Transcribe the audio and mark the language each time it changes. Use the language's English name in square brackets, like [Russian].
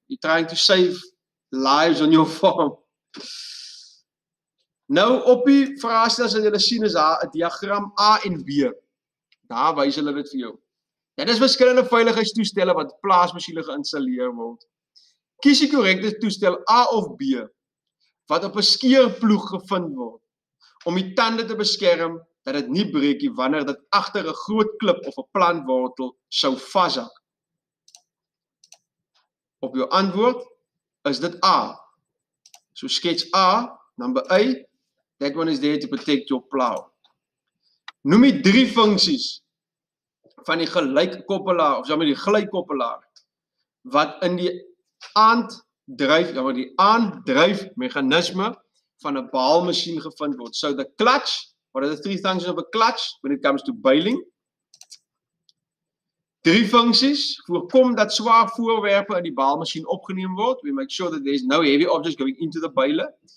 [English] You're trying to save lives on your farm. [Afrikaans] Nou op die vraestel wat julle sien is daar 'n diagram A en B. Daar wys hulle dit vir jou. Dit is verskillende veiligheidstoestelle wat plaasmasjiene geïnstalleer word. Kies die korrekte toestel A of B wat op 'n skeerploeg gevind word om die tande te beskerm dat dit nie breek nie wanneer dit agter 'n groot klip of 'n plantwortel sou vashak. Op jou antwoord is dit A. [English] So skets A, number A, that one is there to protect your plow. [Afrikaans] Noem die 3 funksies van die gelykkoppelaar of sommer die glykoppelaar wat in die aanddryf ja maar die aanddryf meganisme van 'n baalmasjien gevind word. [English] So the clutch, what are the 3 functions of a clutch when it comes to baling? [Afrikaans] 3 funksies voorkom dat swaar voorwerpe in die baalmasjien opgeneem word. [English] We make sure that there is no heavy objects going into the baler.